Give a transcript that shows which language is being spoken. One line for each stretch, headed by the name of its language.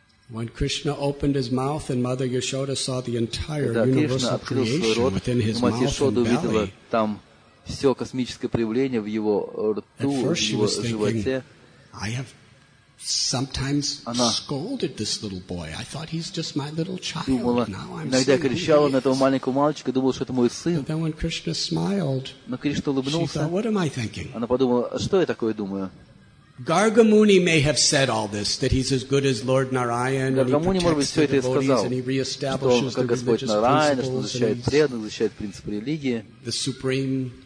English: When Krishna opened his mouth and Mother Yashoda saw the entire universal creation within his mouth and belly,
Russian: все космическое проявление в его рту, в его животе. Она думала, иногда кричала на этого маленького мальчика, думала, что это мой сын. Но Кришна улыбнулся. Она подумала, что я такое думаю?
English: Garga Muni may have said all this, that he's as good as Lord Narayan, and he protects the devotees, and he reestablishes the religious principles, and he's the supreme.